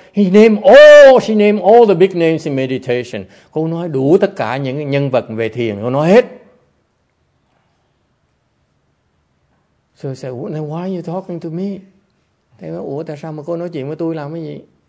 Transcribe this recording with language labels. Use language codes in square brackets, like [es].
[en] She named all the big names in meditation. [vi] Cô nói đủ tất cả những nhân vật về thiền. Cô nói hết. [en] So I said, then why are you talking to me? They said, [vi] ủa tại sao mà cô nói chuyện với tôi làm cái gì?